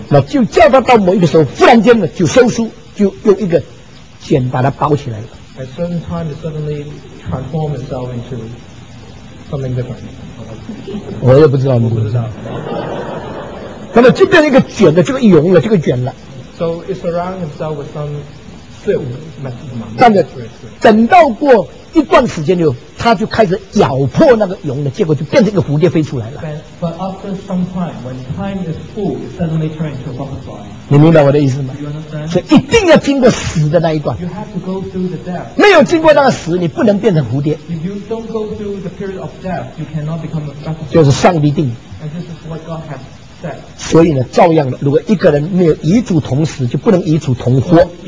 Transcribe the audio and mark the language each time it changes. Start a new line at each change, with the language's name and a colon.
Chinese: 那就叫他到某一个时候，忽然间呢就收缩，就用一个茧把它包起来了。
English: At certain time, it suddenly transforms itself into something different.
Chinese: 我也不知道，我不知道。那么就变成一个卷的，这个蛹了，这个卷了。
English: So it surrounds itself with some silk material.
Chinese: 但是等到过一段时间就，它就开始咬破那个蛹了，结果就变成一个蝴蝶飞出来了。
English: But after some time, when time is full, it suddenly turns into a butterfly.
Chinese: 你明白我的意思吗？
English: You understand?
Chinese: 所以一定要经过死的那一段。
English: You have to go through the death.
Chinese: 没有经过那个死，你不能变成蝴蝶。
English: If you don't go through the period of death, you cannot become a butterfly.
Chinese: 就是上帝定。
English: And this is what God has.
Chinese: 所以呢，照样的，如果一个人没有与主同死，就不能与主同活。